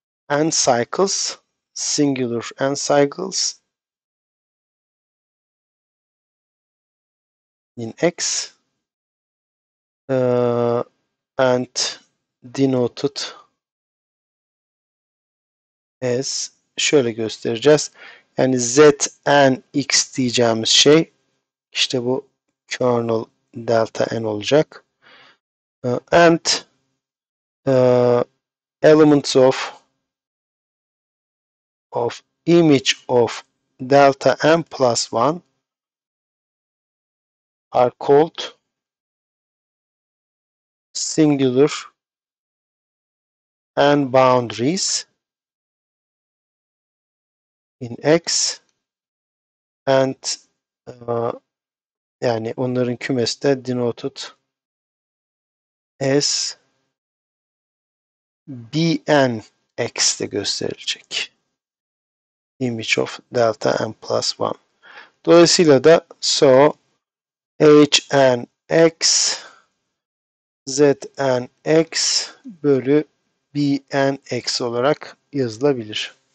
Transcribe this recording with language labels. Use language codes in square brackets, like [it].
[en] n cycles, singular n cycles in X and denoted as [tr] şöyle göstereceğiz. Yani Zn x diyeceğimiz şey işte bu kernel delta n olacak. [en] And elements of image of delta n plus 1 are called singular n boundaries in X and [tr] Yani onların kümesi de [en] denoted as [tr] bn x de gösterecek. [en] Image of delta n plus 1. [tr] Dolayısıyla da so hn x zn x bölü bn x olarak yazılabilir.